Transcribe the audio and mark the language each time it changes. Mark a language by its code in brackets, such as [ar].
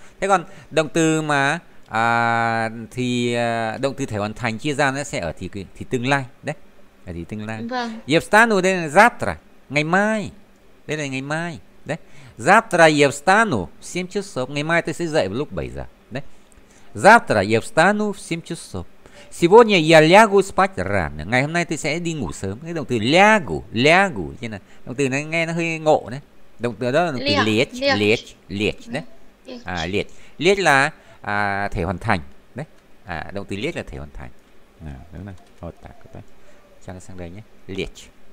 [vi] Thế còn động từ mà thì động từ thể hoàn thành chia ra nó sẽ ở thì tương lai, đấy. Ở thì tương lai. Vâng. [ru] Я встану завтра. [vi] Ngày mai. Đây là ngày mai, đấy. [ru] Завтра я встану в 7 часов. [vi] Ngày mai tôi sẽ dậy lúc 7 giờ. [ru] Завтра я встану в 7 часов. Сегодня я лягу спать рано. [vi] Ngày hôm nay tôi sẽ đi ngủ sớm. Cái động từ лягу, лягу, thế nào? Động từ này nghe nó hơi ngộ đấy. Động từ đó là động từ лечь, лечь, лечь đấy. [ru] À, лечь. [vi] Лечь là thể hoàn thành đấy. À, động từ лечь là thể hoàn thành. À, đúng rồi. Ô tạc các bạn. Cho nó sang đây nhé. Лечь.